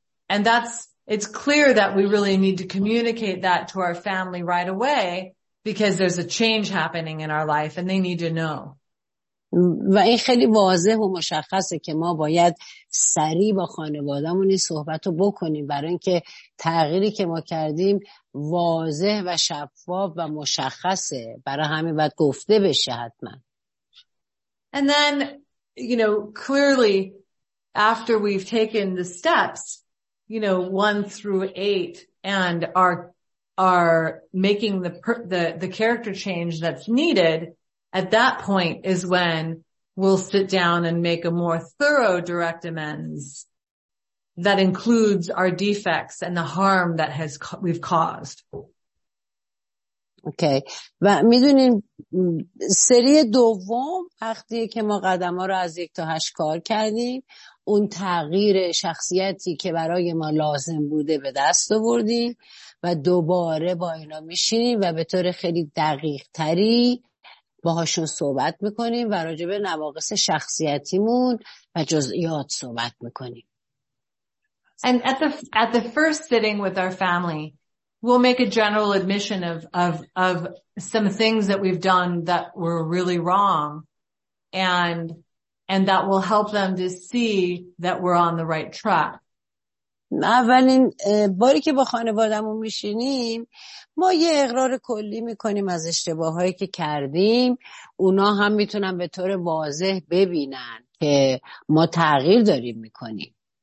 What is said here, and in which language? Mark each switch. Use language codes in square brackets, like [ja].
[en] And it's clear that we really need to communicate that to our family right away because there's a change happening in our life and they need to know. [fa] و این خیلی واضح و مشخصه که ما باید سریع با خانوادهمون این صحبت رو بکنیم، برای اینکه تغییری که ما کردیم واضح و شفاف و مشخصه، برای همین باید گفته بشه حتما. [en] And then, you know, clearly after we've taken the steps, you know, 1 through 8 and are making the character change that's needed, at that point is when we'll sit down and make a more thorough direct amends that includes our defects and the harm that we've caused. [fa] اوکی. و میدونین سری دوم وقتی که ما قدم ها رو از 1 تا 8 کار کردیم، اون تغییر شخصیتی که برای ما لازم بوده به دست آوردیم و دوباره با اینا میشینیم و به طور خیلی دقیق تری باهاشون صحبت میکنیم و راجع به نواقص شخصیتیمون و جزئیات صحبت میکنیم. [en] And at the first sitting with our family, we'll make a general admission of some things that we've done that were really wrong, and that will help them to see that we're on the right track. [fa] اولین باری که با خانوادهمون میشینیم ما یه اقرار کلی میکنیم از اشتباهایی که کردیم، اونا هم میتونن به طور واضح ببینن که ما تغییر داریم میکنیم.